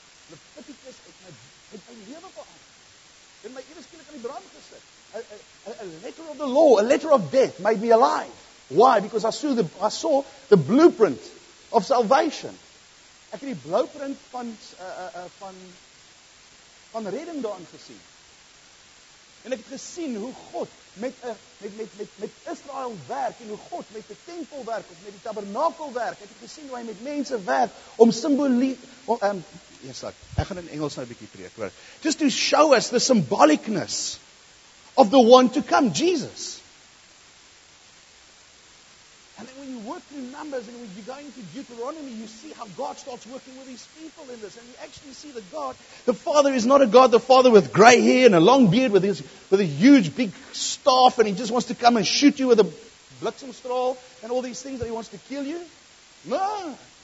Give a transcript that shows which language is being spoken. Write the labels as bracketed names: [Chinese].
[Afrikaans] Levitikus het my lewe verander. En my ewe skielik aan die brand gesit. [English] A letter of the law, a letter of death made me alive. Why? Because I saw the blueprint of salvation. [Afrikaans] Ek het die blueprint van redding daarin gesien. En ek het gesien hoe God met Israel werk en hoe God met die tempel werk of met die tabernakel werk. Ek het gesien hoe hy met mense werk om simbolie ek gaan in Engels nou 'n bietjie preek, hoor. [English] Just to show us the symbolicness of the one to come, Jesus. And then when you work through Numbers and when you go into Deuteronomy, you see how God starts working with his people in this. And you actually see that God, the Father, is not a God, the Father with grey hair and a long beard with a huge big staff and he just wants to come and shoot you with a blitzenstraal and all these things that he wants to kill you. No!